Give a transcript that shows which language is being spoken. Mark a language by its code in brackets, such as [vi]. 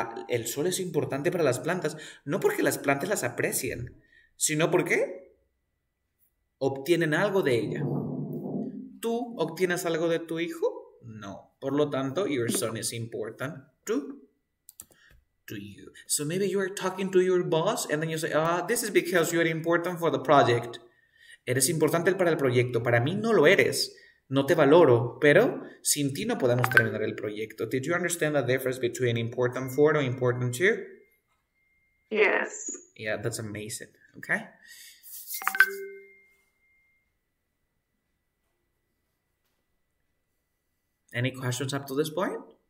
[es] El sol es importante para las plantas, no porque las plantas las aprecien, sino porque obtienen algo de ella. ¿Tú obtienes algo de tu hijo? No. Por lo tanto, [en] your son is important to you. So maybe you are talking to your boss and then you say, ah, this is because you are important for the project. [es] Eres importante para el proyecto. Para mí no lo eres. No te valoro, pero sin ti no podemos terminar el proyecto. [en] Did you understand the difference between important for or important to? Yes. Yeah, that's amazing. Okay. Any questions up to this point?